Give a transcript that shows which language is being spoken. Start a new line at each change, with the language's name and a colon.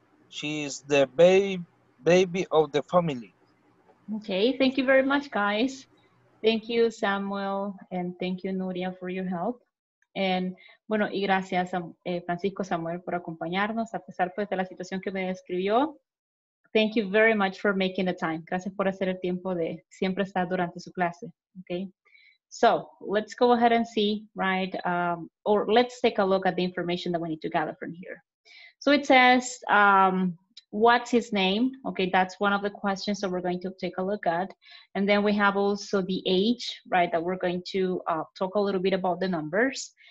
English: She is the baby of the family. Okay, thank you very much, guys. Thank you, Samuel, and thank you, Nuria, for your help.
Spanish: And, bueno, y gracias, Francisco, Samuel, por acompañarnos, a pesar pues, de la situación que me describió.
English: Thank you very much for making the time.
Spanish: Gracias por hacer el tiempo de siempre estar durante su clase.
English: Okay, so let's go ahead and see, right, or let's take a look at the information that we need to gather from here. So it says, what's his name? Okay, that's one of the questions that we're going to take a look at. And then we have also the age, right, that we're going to talk a little bit about the numbers.